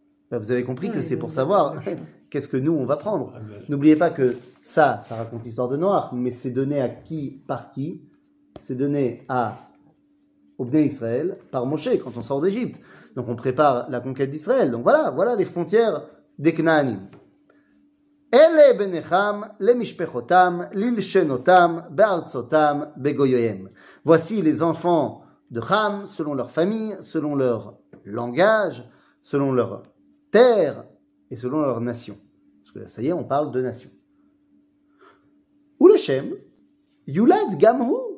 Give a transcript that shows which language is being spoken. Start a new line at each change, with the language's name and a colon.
French: Ben vous avez compris que c'est pour savoir qu'est-ce que nous on va prendre. N'oubliez pas que ça, ça raconte l'histoire de Noach, mais c'est donné à qui par qui? C'est donné à Obné Israël par Moshe quand on sort d'Égypte. Donc on prépare la conquête d'Israël. Donc voilà, voilà les frontières des Canaanim.
Hebrew: אלה בניכם למשפחותם ללשנותם בארצותם בגויים.
French: Voici les enfants de Ham selon leur famille, selon leur langage, selon leur terre et selon leur nation. Parce que ça y est, on parle de nation.
Hebrew: Ulechem yulad gamhu.